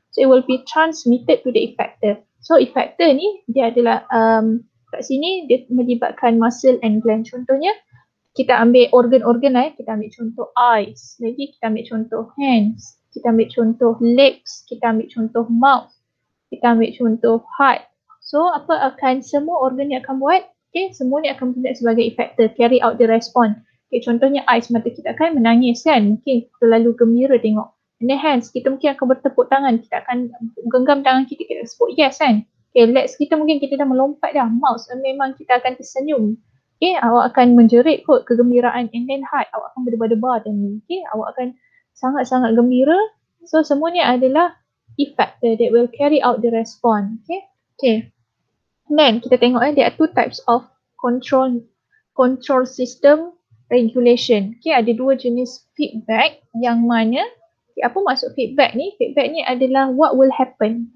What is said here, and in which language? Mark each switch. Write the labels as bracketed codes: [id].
[en] So it will be transmitted to the effector. [ms] So effector ni dia adalah kat sini dia melibatkan [en] muscle and gland. [ms] Contohnya kita ambil organ-organ lah, kita ambil contoh eyes, lagi kita ambil contoh hands, kita ambil contoh legs, kita ambil contoh mouth, kita ambil contoh heart. So apa akan semua organ ni akan buat? Okay, semua ni akan berfungsi sebagai effector, [en] carry out the response. [ms] Okay, contohnya eyes, mata kita akan menangis kan, mungkin terlalu gembira tengok. And then hands, kita mungkin akan bertepuk tangan, kita akan genggam tangan kita, kita sebut yes kan. Okay, legs kita mungkin kita dah melompat dah. Mouse, memang kita akan tersenyum. Okay, awak akan menjerit kot kegembiraan. And then heart, awak akan berdebar-debar dan ni. [en] Okay, [ms] awak akan sangat-sangat gembira. [en] So [ms] semua ni adalah [en] effector that will carry out the response. Okay. Okay. Then [ms] kita tengok [en] there are two types of control system regulation. [ms] Okay, ada dua jenis feedback. Yang mana, okay, apa maksud feedback ni? Feedback ni adalah [en] what will happen.